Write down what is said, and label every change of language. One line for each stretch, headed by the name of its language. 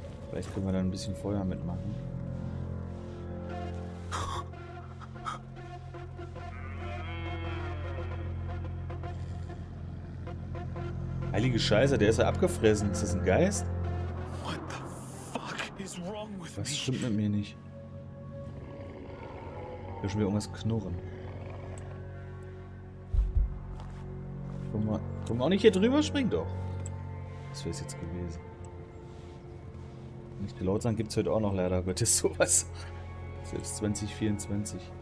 German: Vielleicht können wir da ein bisschen Feuer mitmachen. Heilige Scheiße, der ist ja abgefressen. Ist das ein Geist?
English: What the fuck is wrong with
German: me? Was stimmt mit mir nicht? Ich höre schon wieder irgendwas knurren. Können wir auch nicht hier drüber springen, doch. Das wäre es jetzt gewesen. Nicht laut sein gibt es heute auch noch leider Gottes sowas. Selbst 2024.